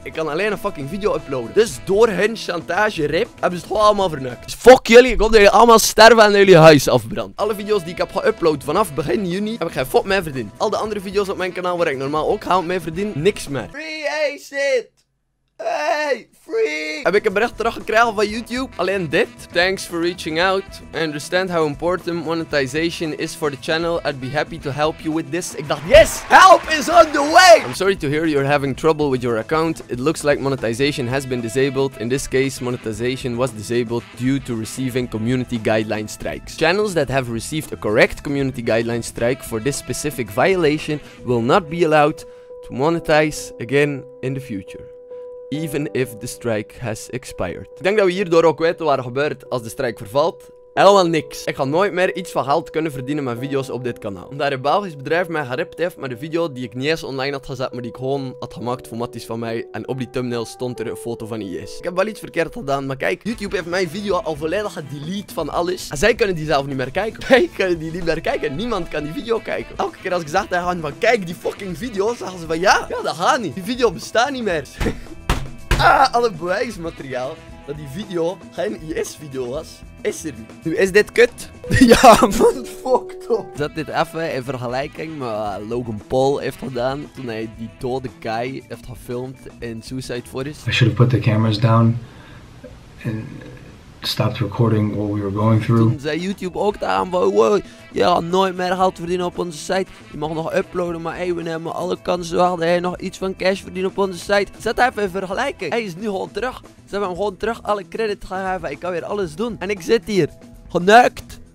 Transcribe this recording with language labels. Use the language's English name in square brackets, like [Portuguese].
[Dutch] Ik kan alleen een fucking video uploaden. Dus door hun chantage rip, hebben ze het gewoon allemaal vernukt. Dus fuck jullie, ik hoop dat jullie allemaal sterven en jullie huis afbrandt. Alle video's die ik heb geüpload vanaf begin juni, heb ik geen fuck mee verdiend. Al de andere video's op mijn kanaal waar ik normaal ook geld mee verdien, niks meer. [English] Free Acid! Hey, freak! [Dutch] Heb ik een bericht teruggekregen van YouTube? Alleen dit. [English] Thanks for reaching out. I understand how important monetization is for the channel. I'd be happy to help you with this. [Dutch] Ik dacht, [English] yes! Help is on the way! I'm sorry to hear you're having trouble with your account. It looks like monetization has been disabled. In this case, monetization was disabled due to receiving community guideline strikes. Channels that have received a correct community guideline strike for this specific violation will not be allowed to monetize again in the future. Even if the strike has expired. [Dutch] Ik denk dat we hierdoor ook weten wat er gebeurt als de strike vervalt. Helemaal niks. Ik ga nooit meer iets van geld kunnen verdienen met video's op dit kanaal. Omdat een Belgisch bedrijf mij geript heeft met een video die ik niet eens online had gezet, maar die ik gewoon had gemaakt voor matties van mij. En op die thumbnail stond er een foto van IS. Ik heb wel iets verkeerd gedaan, maar kijk, YouTube heeft mijn video al volledig gedelete van alles. En zij kunnen die zelf niet meer kijken. Wij kunnen die niet meer kijken. Niemand kan die video kijken. Elke keer als ik zag dat gaan van kijk die fucking video, zagen ze van ja, ja dat gaat niet. Die video bestaat niet meer. Alle bewijsmateriaal dat die video geen IS-video was, is er niet. Nu, is dit kut? Ja, man, fuck toch. Zet dit even in vergelijking met wat Logan Paul heeft gedaan toen hij die dode guy heeft gefilmd in Suicide Forest. [English] I should have put the cameras down and stopped recording what we were going through. [Dutch] Toen zei YouTube ook aan van, wow, je gaat nooit meer geld verdienen op onze site. Je mag nog uploaden, maar hey, we nemen alle kansen wel dat jij nog iets van cash verdient op onze site. Zet even in vergelijking. Hij is nu gewoon terug. Ze hebben hem gewoon terug alle credit gegeven. Ik kan weer alles doen. En ik zit hier, geneukt,